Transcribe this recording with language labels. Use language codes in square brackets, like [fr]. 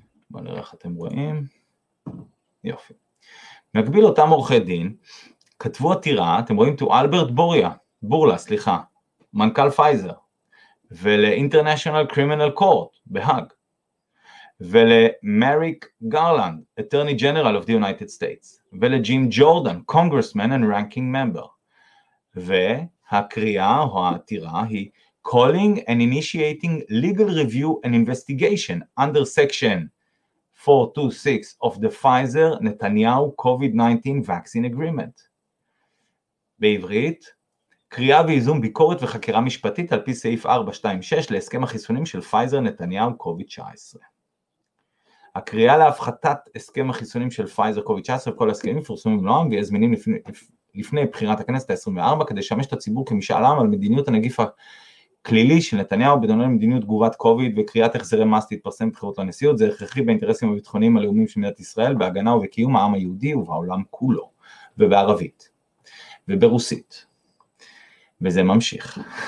[he] בואו נראה איך אתם רואים, יופי, במקביל אותם עורכי דין, כתבו עתירה, אתם רואים, [en] to Albert Bourla, [he] מנכ"ל פייזר, ול- [en] International Criminal Court, [he] בהאג, ול- [en] Merrick Garland, Attorney General of the United States, [he] ול- [en] Jim Jordan, Congressman and Ranking Member, [he] ו... הקריאה או העתירה היא [en] calling and initiating legal review and investigation under section 426 of the Pfizer Netanyahu COVID-19 vaccine agreement. [he] בעברית, קריאה ואיזום ביקורת וחקירה משפטית על פי סעיף 426 להסכם החיסונים של פייזר נתניהו COVID-19. הקריאה להפחתת הסכם החיסונים של פייזר COVID-19, כל הסכמים פורסמים במלואם ויזמינים לפני בחירת הכנסת ה-24, כדי לשמש את הציבור כמשאל עם על מדיניות הנגיף הכלילי של נתניהו, בדיוק למדיניות תגובת קוביד וקריאת החזרי מס להתפרסם בחירות לנשיאות, זה הכרחי באינטרסים הביטחוניים הלאומיים של מדינת ישראל, בהגנה ובקיום העם היהודי ובעולם כולו, ובערבית, וברוסית. וזה ממשיך.